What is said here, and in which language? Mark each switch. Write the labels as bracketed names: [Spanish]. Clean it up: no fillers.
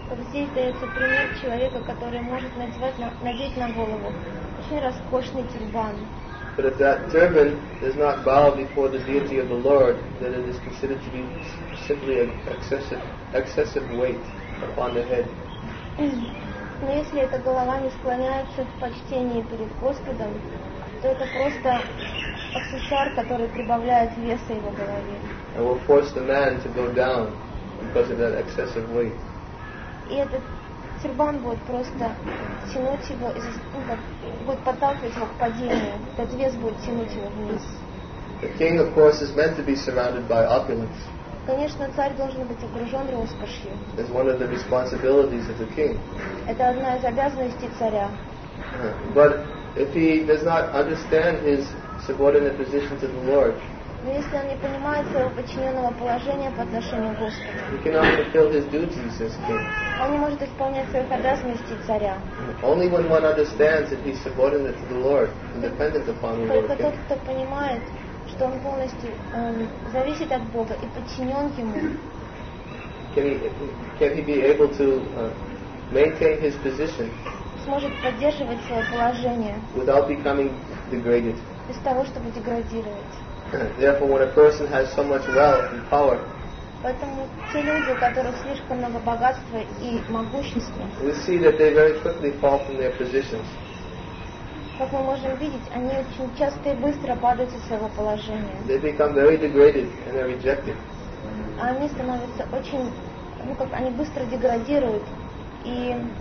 [Russian] Здесь дается пример человека, который может надеть на голову очень роскошный тюрбан. [English] But if that turban does not bow before the deity of the Lord, then it is considered to be simply an excessive weight upon the head. [Russian] Но если эта голова не склоняется в почтении перед Господом, то это просто аксессуар, который прибавляет веса его голове. [English] It will force the man to go down because of that excessive weight. [Russian] И этот тюрбан будет просто тянуть его, будет подталкивать его к падению. Этот вес будет тянуть его вниз. [English] The king, of course, is meant to be surrounded by opulence. [Russian] Конечно, царь должен быть окружен роскошью. [English] It's one of the responsibilities of the king. [Russian] Это одна из обязанностей царя. [English] But if he does not understand his subordinate position to the Lord, [Russian] но если он не понимает своего подчиненного положения по отношению к Господу, [English] he cannot fulfill his duties as king. [Russian] Он не может исполнять своих обязанностей царя. [English] Only when one understands that he's subordinate to the Lord and dependent upon the Lord. [Russian] Только тот, кто понимает, что он полностью зависит от Бога и подчинен ему, [English] can he be able to maintain his position, [Russian] сможет поддерживать свое положение [English] without becoming degraded, [Russian] без того, чтобы деградировать. [English] Therefore, when a person has so much wealth and power, [Russian] поэтому те люди, у которых слишком много богатства и могущества, [English] we see that they very quickly fall from their positions. [Russian] Как мы можем видеть, они очень часто и быстро падают из своего положения. [English] They become very degraded and they're rejected. [Russian] А они становятся очень, ну как, они быстро деградируют и